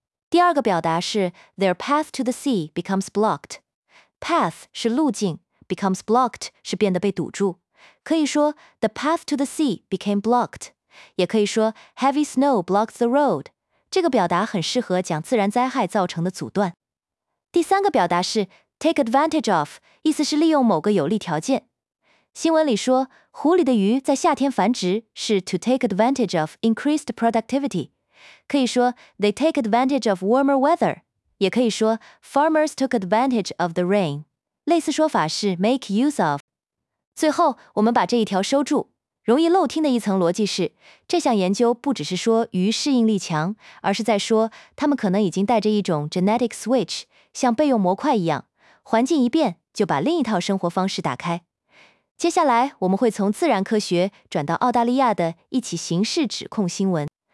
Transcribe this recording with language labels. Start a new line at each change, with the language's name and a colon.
Chinese: 第二个表达是
English: Their path to the sea becomes blocked.
Chinese: Path 是路径
English: becomes blocked
Chinese: 是变得被堵住。可以说
English: The path to the sea became blocked.
Chinese: 也可以说
English: Heavy snow blocks the road.
Chinese: 这个表达很适合讲自然灾害造成的阻断。第三个表达是
English: Take advantage of,
Chinese: 意思是利用某个有利条件。新闻里说，湖里的鱼在夏天繁殖是
English: to take advantage of increased productivity。
Chinese: 可以说
English: they take advantage of warmer weather，
Chinese: 也可以说
English: farmers took advantage of the rain。
Chinese: 类似说法是
English: make use of。
Chinese: 最后，我们把这一条收住。容易漏听的一层逻辑是，这项研究不只是说鱼适应力强，而是在说它们可能已经带着一种
English: genetic switch，
Chinese: 像备用模块一样。环境一变，就把另一套生活方式打开。接下来，我们会从自然科学转到澳大利亚的一起刑事指控新闻。